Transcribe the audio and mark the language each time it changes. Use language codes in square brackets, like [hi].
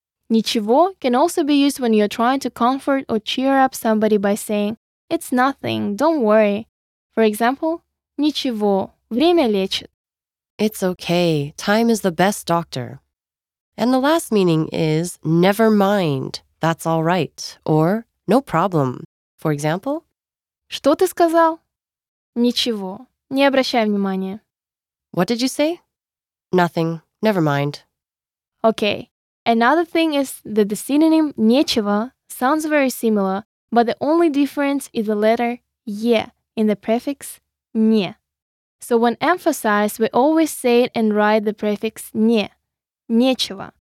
[en] Ничего can also be used when you're trying to comfort or cheer up somebody by saying, it's nothing, don't worry. For example, [ru] ничего, время лечит. [en] It's okay, time is the best doctor. And the last meaning is, never mind, that's all right, or no problem. For example, [ru] что ты сказал? Ничего, не обращай внимания. [en] What did you say? Nothing, never mind. Okay. Another thing is that the synonym нечего sounds very similar, but the only difference is the letter е in the prefix не. So when emphasized, we always say it and write the prefix не, нечего.